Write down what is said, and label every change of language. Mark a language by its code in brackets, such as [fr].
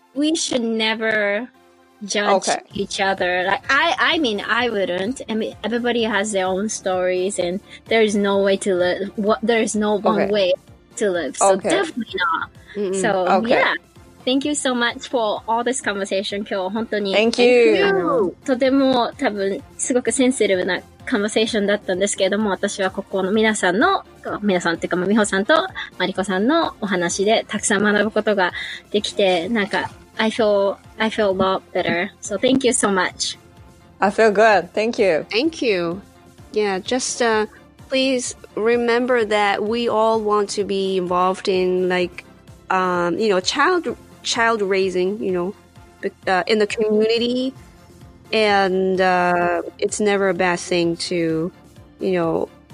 [en] we should never judge each other. Like I mean, I wouldn't. I mean, everybody has their own stories, and there is no way to live. What there is no one way to live. So definitely not. Mm-mm. So yeah. Thank you so much for all this conversation. [ja] 今日本当に [en] Thank you. [ja] とても多分すごくセンシティブなコンバセーションだったんですけれども、私はここの皆さんというか、美穂さんとマリコさんのお話でたくさん学ぶことができて、なんか [en] I feel a lot better. So thank you so much. I feel good. Thank you. Thank you. Yeah, just please remember that we all want to be involved in like you know, child raising, you know, in the community, and it's never a bad thing to, you know,